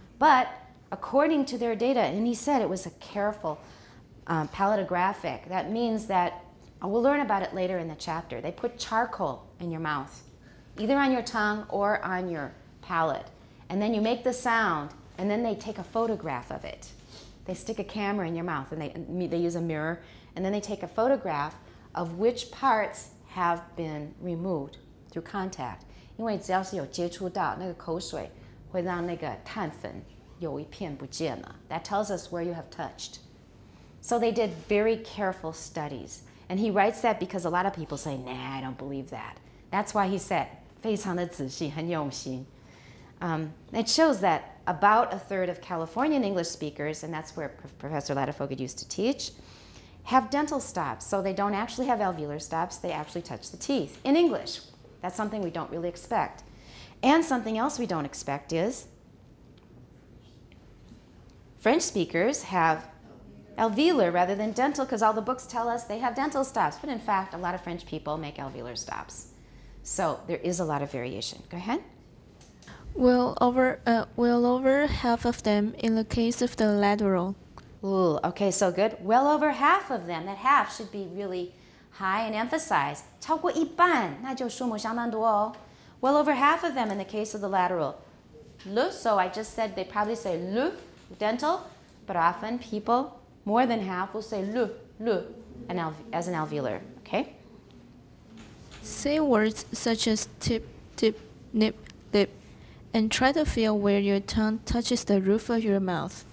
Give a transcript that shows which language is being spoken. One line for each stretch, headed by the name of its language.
English: But according to their data, and he said it was a careful palatographic, that means that, we'll learn about it later in the chapter, they put charcoal in your mouth, either on your tongue or on your palate, and then you make the sound, and then they take a photograph of it. They stick a camera in your mouth, and they use a mirror, and then they take a photograph of which parts have been removed through contact.
Chinese: 因为只要是有接触到那个口水会让那个碳粉有一片不见了。
English: That tells us where you have touched. So they did very careful studies. And he writes that because a lot of people say, nah, I don't believe that. That's why he said,
Chinese: 非常的仔细很用心。
English: It shows that about a third of Californian English speakers, and that's where Professor Latifoga used to teach, have dental stops, so they don't actually have alveolar stops, they actually touch the teeth in English. That's something we don't really expect. And something else we don't expect is French speakers have alveolar rather than dental because all the books tell us they have dental stops. But in fact, a lot of French people make alveolar stops. So there is a lot of variation. Go ahead. Well over half of them in the case of the lateral. Ooh, okay, so good. Well over half of them. That half should be really high and emphasized.
Chinese: 超过一半，那就数目相当多哦。
English: Well over half of them in the case of the lateral. Le, so I just said they probably say le, dental, but often people, more than half, will say le, as an alveolar, okay? Say words such as tip, tip, nip, lip, and try to feel where your tongue touches the roof of your mouth.